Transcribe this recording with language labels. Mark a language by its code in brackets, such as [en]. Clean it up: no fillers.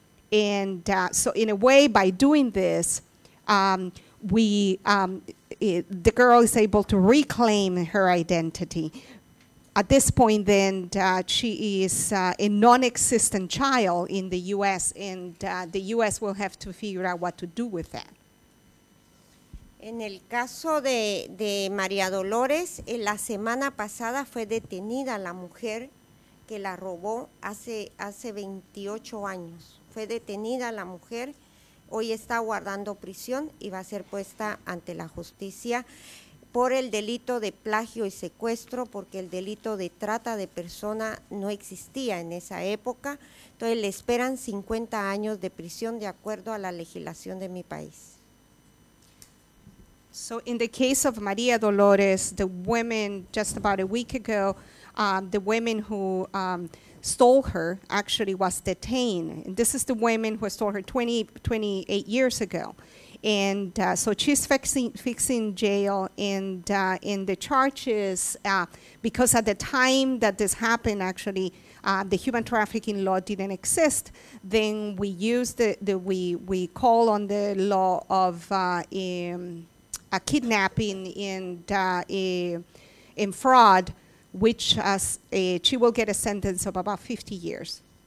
[en] And so in a way, by doing this, the girl is able to reclaim her identity. At this point, then she is a non-existent child in the U.S., and the U.S. will have to figure out what to do with that. [es] En el caso de María Dolores, en la semana pasada fue detenida la mujer que la robó hace 28 años. Fue detenida la mujer. Hoy está guardando prisión y va a ser puesta ante la justicia por el delito de plagio y secuestro, porque el delito de trata de persona no existía en esa época. Entonces le esperan 50 años de prisión de acuerdo a la legislación de mi país. [en] So in the case of María Dolores, the women just about a week ago, the women who stole her actually was detained. And this is the woman who stole her 28 years ago. And so she's fixing jail, and in the charges, because at the time that this happened, actually, the human trafficking law didn't exist, then we used we call on the law of a kidnapping and fraud, which she will get a sentence of about 50 years.